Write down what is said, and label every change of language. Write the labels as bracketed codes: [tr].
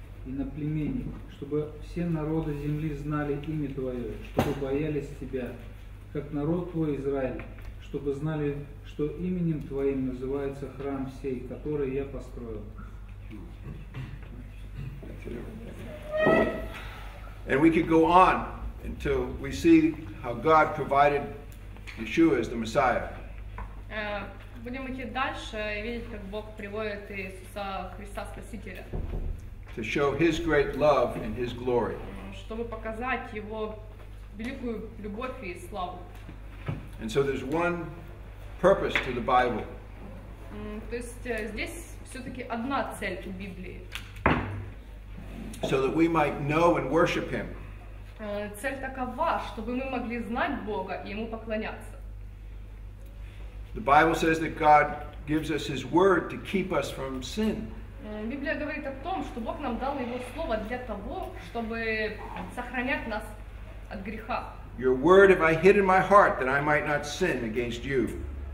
[ru] И на племени, чтобы все народы земли знали имя Твое, чтобы боялись Тебя, как народ Твой Израиль, чтобы знали, что именем Твоим называется храм сей, который я построил. [en] And we could go on until we see how God provided Yeshua as the Messiah. [ru] Будем идти дальше и видеть, как Бог приводит Иисуса Христа Спасителя. [en] To show His great love and His glory. [ru] Чтобы показать Его великую любовь и славу. [en] And so there's one purpose to the Bible. [ru] То есть здесь все-таки одна цель у Библии. [en] So that we might know and worship Him. [ru] Цель такова, чтобы мы могли знать Бога и Ему поклоняться. [en] The Bible says that God gives us His Word to keep us from sin. [ru] Библия говорит о том, что Бог нам дал Его Слово для того, чтобы сохранять нас от греха. [en] Your word have I hid in my heart, that I might not sin against you.